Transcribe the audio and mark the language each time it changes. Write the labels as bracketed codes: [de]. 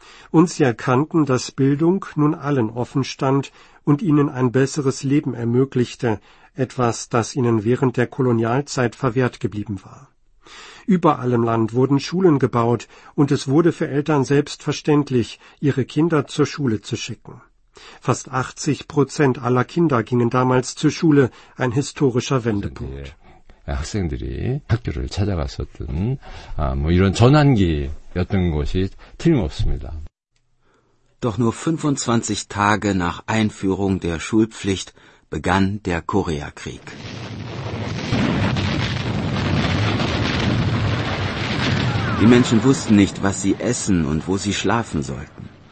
[de] Und sie erkannten, dass Bildung nun allen offen stand und ihnen ein besseres Leben ermöglichte, etwas, das ihnen während der Kolonialzeit verwehrt geblieben war. Überall im Land wurden Schulen gebaut, und es wurde für Eltern selbstverständlich, ihre Kinder zur Schule zu schicken. Fast 80% aller Kinder gingen damals zur Schule, ein historischer Wendepunkt. [ko] 학생들이 학교를 찾아갔었던 이런 전환기였던 것이 틀림없습니다. [de] Doch nur 25 Tage nach Einführung der Schulpflicht begann der Koreakrieg. Die Menschen wussten nicht, was sie essen und wo sie schlafen sollten.